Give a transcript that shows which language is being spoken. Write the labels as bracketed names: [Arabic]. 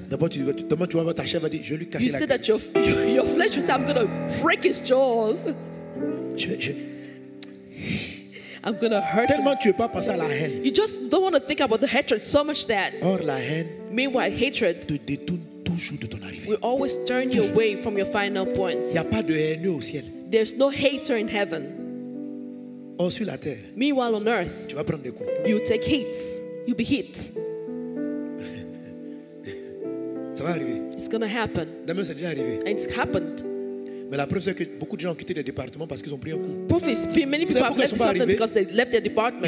[French] D'abord, tu vas, demain, tu vas voir ta chair va dire, je vais lui casser [English] you [French] la [English] said queue. That your flesh will say, I'm going to break his jaw. I'm going to hurt [French] tellement [English] him. [French] Tu veux pas passer à la haine. [English] You just don't want to think about the hatred so much that. [French] Or la haine. [English] Meanwhile, hatred [French] te détourne toujours de ton arrivée. [English] Will always turn you away from your final point. [French] Y a pas de haine au ciel. [English] There's no hater in heaven. [French] Or sur la terre. [English] Meanwhile, on earth. [French] Tu vas prendre des coups. [English] You take hits. You'll be hit. [French] Ça va arriver. [English] It's going to happen. [French] Demain, c'est déjà arrivé. [English] And it's happened. [French] Mais la preuve, c'est que beaucoup de gens ont quitté des départements parce qu'ils ont pris un coup. [English] Proof is, many people have left something because they left their department.